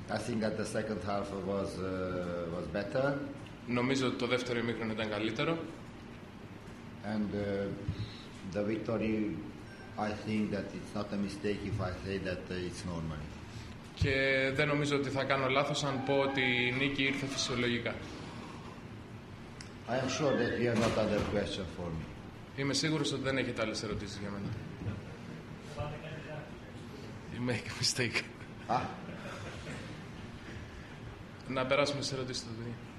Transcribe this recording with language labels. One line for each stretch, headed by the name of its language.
English: I think that the second half was better.
Greek: Νομίζω ότι το δεύτερο ημίχρονο ήταν καλύτερο.
English: And the victory, I think that it's not a mistake if I say that it's normal.
Greek: Και δεν νομίζω ότι θα κάνω λάθος αν πω ότι η νίκη ήρθε φυσιολογικά.
English: I am sure that you have not other question for me.
Greek: Είμαι σίγουρος ότι δεν έχετε άλλες ερωτήσεις για μένα.
English: You make a mistake.
Greek: Να περάσουμε σε ερωτήσεις το παιδί.